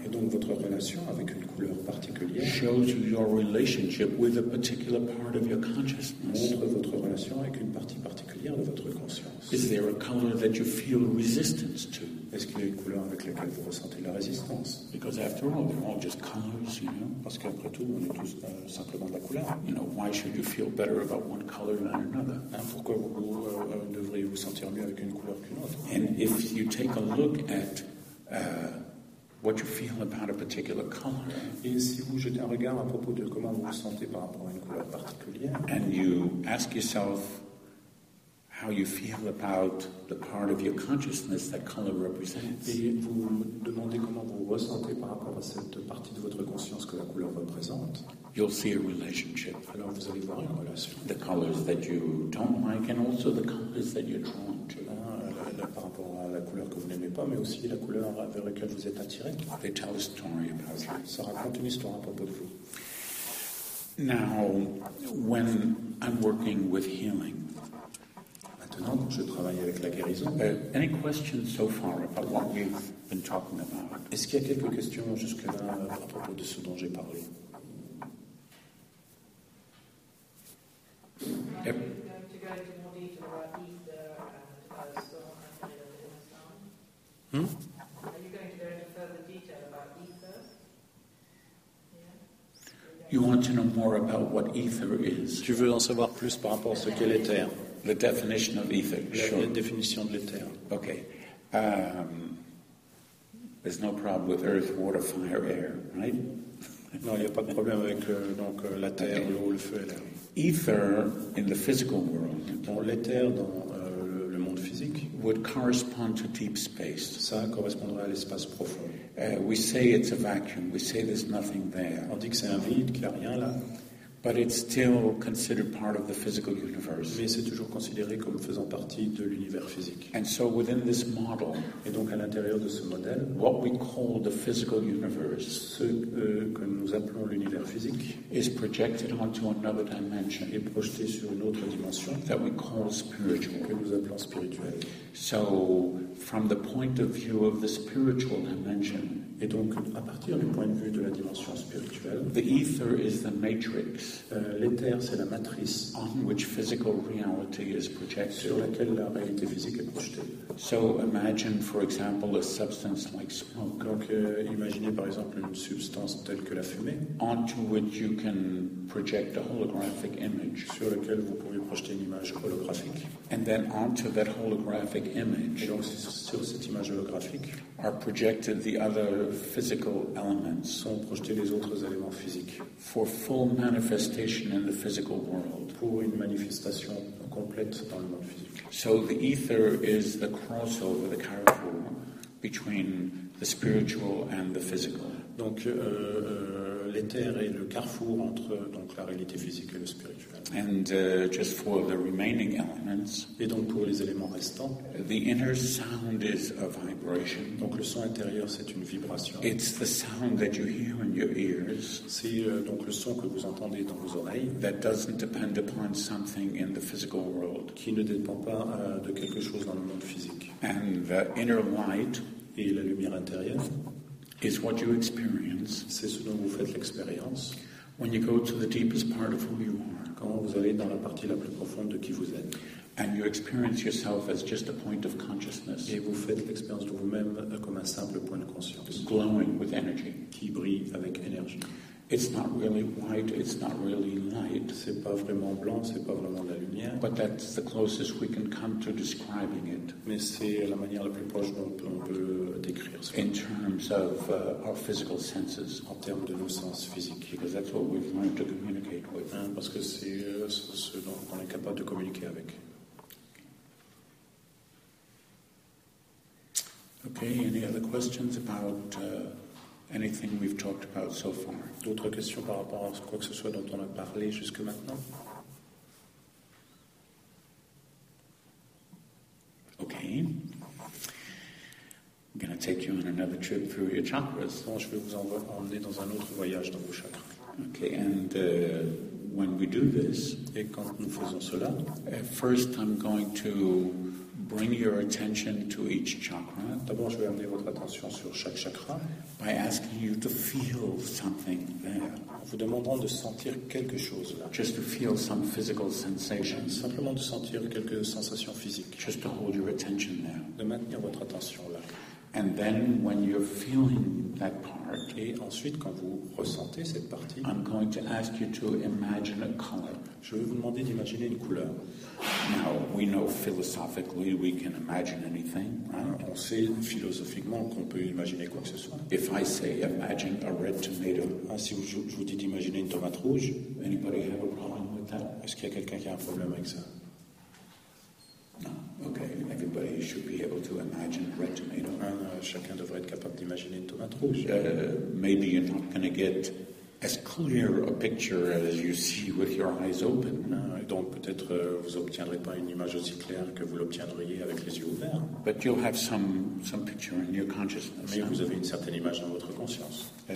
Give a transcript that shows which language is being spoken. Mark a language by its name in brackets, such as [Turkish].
[French] Et donc votre relation avec une couleur particulière. [English] Shows you your relationship with a particular part of your consciousness. [French] Montre votre relation avec une partie particulière de votre conscience. [English] Is there a color that you feel resistance to? [French] Est-ce qu'il y a une couleur avec laquelle vous ressentez la résistance? [English] Because after all, they're all just colors, you know. [French] Parce qu'après tout, on est tous simplement de la couleur. [English] You know, why should you feel better about one color than another? [French] Hein, pourquoi vous devriez vous sentir mieux avec une couleur qu'une autre? [English] And if you take a look at what you feel about a particular color. [French] Et si vous jetez un regard à propos de comment vous vous sentez par rapport à une couleur particulière. [English] And you ask yourself how you feel about the part of your consciousness that color represents. [French] Et vous demandez comment vous ressentez par rapport à cette partie de votre conscience que la couleur représente. [English] You'll see a relationship. [French] Alors vous allez voir une relation. [English] The colors that you don't like and also the colors that you're drawn to. [French] Par rapport à la couleur que vous n'aimez pas, mais aussi la couleur vers laquelle vous êtes attiré. [English] They tell a story about you. [French] Ça raconte une histoire à propos de vous. [English] Now, when I'm working with healing. [French] Non, je travaille avec la guérison. [English] Any questions so far about what we've been talking about? [French] Est-ce qu'il y a quelques questions jusque-là à propos de ce dont j'ai parlé? [English] You want to know more about what ether is? [French] Tu veux en savoir plus par rapport à ce qu'est l'éther? [English] The definition of ether. Sure. [French] La définition de l'éther. [English] Okay. There's no problem with earth, water, fire, air, right? [French] Non, il n'y a pas de problème avec donc la terre, okay. L'eau, le feu, l'air. [English] Ether in the physical world. [French] Dans l'éther, dans le monde physique. [English] Would correspond to deep space. [French] Ça correspondrait à l'espace profond. [English] We say it's a vacuum. We say there's nothing there. [French] On dit que c'est un vide, qu'il n'y a rien là. [English] But it's still considered part of the physical universe. [French] Mais c'est toujours considéré comme faisant partie de l'univers physique. [English] And so within this model, [French] et donc à l'intérieur de ce modèle, [English] what we call the physical universe, [French] ce que nous appelons l'univers physique, [English] is projected onto another dimension, [French] est projeté sur une autre dimension, [English] that we call spiritual, [French] que nous appelons spirituel. [English] So from the point of view of the spiritual dimension, [French] et donc à partir du point de vue de la dimension spirituelle, [English] the ether is the matrix, [French] l'éther c'est la matrice, [English] on which physical reality is projected, [French] sur laquelle la réalité physique est projetée. [English] So imagine for example a substance like smoke, [French] donc imaginez par exemple une substance telle que la fumée, [English] onto which you can project a holographic image, [French] sur laquelle vous pouvez projeter une image holographique, [English] and then onto that holographic image, [French] et donc sur cette image holographique, [English] are projected the other physical elements, [French] sont projetés les autres éléments physiques, [English] for full manifestation in the physical world, [French] pour une manifestation complète dans le monde physique. [English] So the ether is the crossover, the carrefour between the spiritual and the physical. [French] Donc l'éther est le carrefour entre donc la réalité physique et le spirituel. [English] And just for the remaining elements, [French] et donc pour les éléments restants, [English] the inner sound is a vibration. [French] Donc le son intérieur c'est une vibration. [English] It's the sound that you hear in your ears. [French] C'est donc le son que vous entendez dans vos oreilles. [English] That doesn't depend upon something in the physical world. [French] Qui ne dépend pas de quelque chose dans le monde physique. [English] And the inner light, [French] et la lumière intérieure, [English] is what you experience. [French] C'est ce dont vous faites l'expérience. [English] When you go to the deepest part of who you are. [French] Quand vous allez dans la partie la plus profonde de qui vous êtes. [English] And you experience yourself as just a point of consciousness. [French] Et vous faites l'expérience de vous-même comme un simple point de conscience. [English] Glowing with energy. [French] Qui brille avec énergie. [English] It's not really white, it's not really light. [French] C'est pas vraiment blanc, c'est pas vraiment la lumière. [English] But that's the closest we can come to describing it. [French] Mais c'est la manière la plus proche dont on peut décrire ça. [English] In terms of our physical senses. [French] En termes de nos sens physiques. [English] Because that's what we've learned to communicate with. [French] Hein, parce que c'est ce dont on est capable de communiquer avec. [English] Okay, any other questions about anything we've talked about so far? [French] D'autres questions par rapport à quoi que ce soit dont on a parlé jusque maintenant? [English] Okay. I'm going to take you on another trip through your chakras. [French] Bon, je vais vous emmener dans un autre voyage dans vos chakras. [English] Okay, and when we do this, [French] et quand nous faisons cela, [English] first I'm going to bring your attention to each chakra. [French] D'abord, je vais amener votre attention sur chaque chakra. [English] By asking you to feel something there. [French] En vous demandant de sentir quelque chose là. [English] Just to feel some physical sensation. [French] Simplement de sentir quelques sensations physiques. [English] Just to hold your attention there. [French] De maintenir votre attention là. [English] And then, when you're feeling that part, [French] et ensuite, quand vous ressentez cette partie, [English] I'm going to ask you to imagine a color. [French] Je vais vous demander d'imaginer une couleur. [English] Now, we know philosophically we can imagine anything, right? [French] On sait philosophiquement qu'on peut imaginer quoi que ce soit. [English] If I say imagine a red tomato, [French] ah, si je vous dis d'imaginer une tomate rouge, [English] anybody have a problem with that? [French] Est-ce qu'il y a quelqu'un qui a un problème avec ça? [English] No. Okay, everybody should be able to imagine red tomato. [French] Chacun devrait être capable d'imaginer une tomate rouge. [English] Maybe you're not going to get as clear a picture as you see with your eyes open. [French] Donc peut-être vous obtiendrez pas une image aussi claire que vous l'obtiendriez avec les yeux ouverts. [English] But you'll have some picture in your consciousness. [French] Mais vous avez une certaine image dans votre conscience.